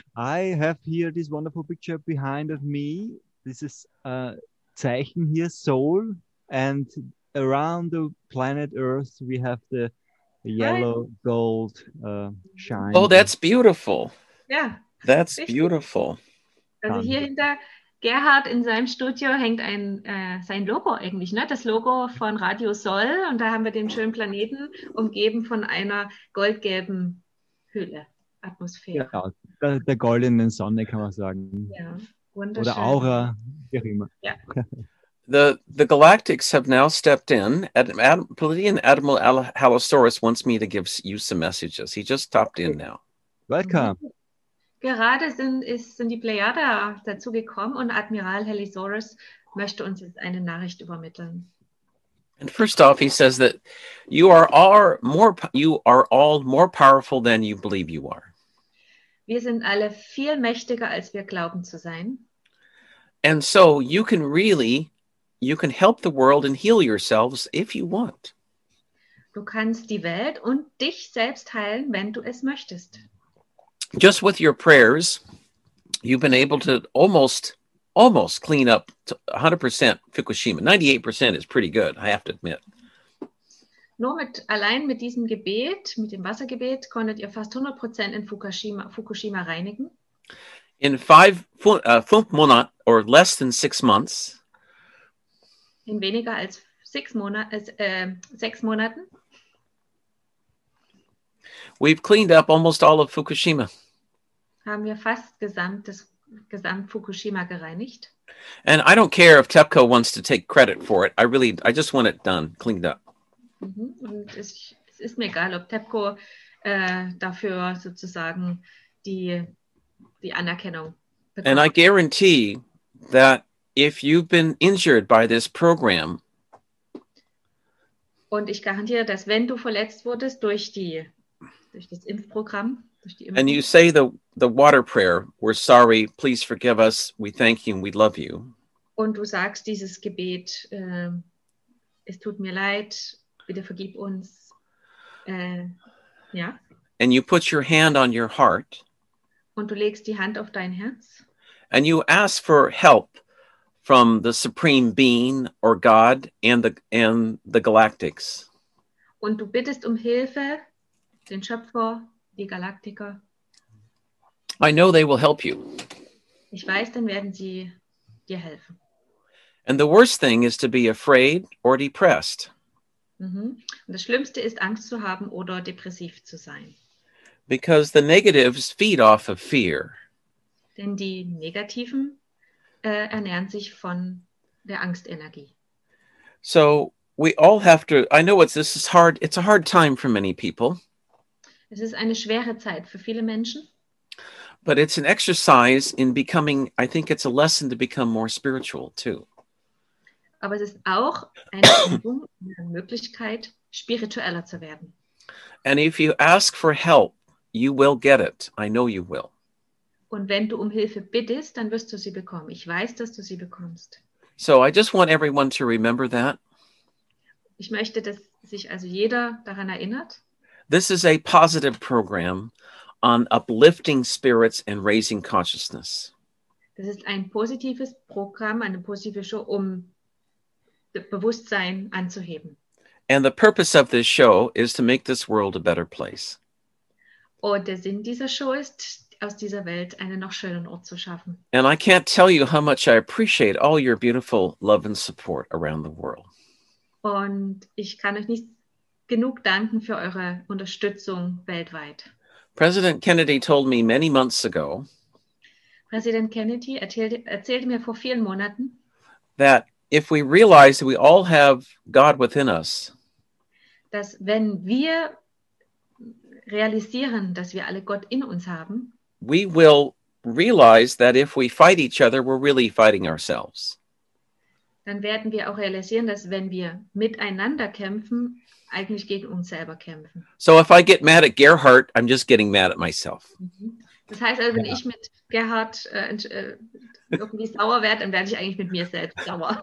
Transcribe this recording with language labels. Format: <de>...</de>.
<en>I have here this wonderful picture behind of me. This is</en> <de>Zeichen hier,</de> <en>Soul. And around the planet Earth, we have the yellow gold shine. Oh, that's beautiful. Yeah. That's</en> <de>richtig.</de> <en>Beautiful.</en> <de>Also hier hinter Gerhard in seinem Studio hängt ein sein Logo eigentlich, ne? Das Logo von Radio Sol. Und da haben wir den schönen Planeten umgeben von einer goldgelben Hülle, Atmosphäre. Ja, der goldenen Sonne, kann man sagen. Ja, wunderschön. Oder Aura, wie auch immer. Ja.</de> <en>The Galactics have now stepped in. Palladian Admiral Halosaurus wants me to give you some messages. He just stopped in now. Welcome.</en> <de>Gerade sind die Plejada dazu gekommen und Admiral Halosaurus möchte uns jetzt eine Nachricht übermitteln.</de> <en>And first off, he says that you are all more powerful than you believe you are.</en> <de>Wir sind alle viel mächtiger, als wir glauben zu sein.</de> <en>And so you can help the world and heal yourselves if you want.</en> <de>Du kannst die Welt und dich selbst heilen, wenn du es möchtest.</de> <en>Just with your prayers, you've been able to almost clean up 100% Fukushima. 98% is pretty good, I have to admit.</en> <de>Nur allein mit diesem Gebet, mit dem Wassergebet, konntet ihr fast 100% in Fukushima reinigen. In fünf Monaten,</de> <en>or less than 6 months.</en> <de>In weniger als sechs Monaten.</de> <en>We've cleaned up almost all of Fukushima.</en> <de>Haben wir fast gesamt Fukushima gereinigt.</de> <en>And I don't care if TEPCO wants to take credit for it. I just want it done, cleaned up. Mm-hmm.</en> <de>Und es ist mir egal, ob TEPCO dafür sozusagen die Anerkennung bekommt.</de> <en>And I guarantee that if you've been injured by this program.</en> <de>Und ich garantiere, dass wenn du verletzt wurdest durch das Impfprogramm,</de> <en>and you say the water prayer, we're sorry, please forgive us, we thank you, and we love you.</en> <de>Und du sagst dieses Gebet, es tut mir leid, bitte vergib uns. Ja.</de> <en>And you put your hand on your heart.</en> <de>Und du legst die Hand auf dein Herz.</de> <en>And you ask for help from the supreme being or God and the galactics.</en> <de>Und du bittest um Hilfe, den Schöpfer. Die Galaktiker.</de> <en>I know they will help you.</en> <de>Ich weiß, dann werden sie dir helfen.</de> <en>And the worst thing is to be afraid or depressed. Mm-hmm.</en> <de>Und das Schlimmste ist, Angst zu haben oder depressiv zu sein.</de> <en>Because the negatives feed off of fear.</en> <de>Denn die Negativen ernähren sich von der Angstenergie.</de> <en>So we all have to, I know this is hard, it's a hard time for many people.</en> <de>Es ist eine schwere Zeit für viele Menschen.</de> <en>But it's an exercise in becoming, I think it's a lesson to become more spiritual too.</en> <de>Aber es ist auch eine Möglichkeit, spiritueller zu werden.</de> <en>And if you ask for help, you will get it. I know you will.</en> <de>Und wenn du um Hilfe bittest, dann wirst du sie bekommen. Ich weiß, dass du sie bekommst.</de> <en>So I just want everyone to remember that.</en> <de>Ich möchte, dass sich also jeder daran erinnert.</de> <en>This is a positive program on uplifting spirits and raising consciousness.</en> <de>Das ist ein positives Programm, eine positive Show, um Bewusstsein anzuheben.</de> <en>And the purpose of this show is to make this world a better place.</en> <de>Und der Sinn dieser Show ist, aus dieser Welt einen noch schöneren Ort zu schaffen.</de> <en>And I can't tell you how much I appreciate all your beautiful love and support around the world.</en> <de>Und ich kann euch nicht genug danken für eure Unterstützung weltweit.</de> <en>President Kennedy told me many months ago.</en> <de>Präsident Kennedy erzählte mir vor vielen Monaten,</de> <en>that if we realize we all have God within us,</en> <de>dass wenn wir realisieren, dass wir alle Gott in uns haben,</de> <en>we will realize that if we fight each other, we're really fighting ourselves.</en> <de>Dann werden wir auch realisieren, dass wenn wir miteinander kämpfen, eigentlich gegen uns selber kämpfen.</de> <en>So if I get mad at Gerhard, I'm just getting mad at myself.</en> <de>Das heißt also, wenn ich mit Gerhard irgendwie sauer werde, dann werde ich eigentlich mit mir selbst sauer.</de>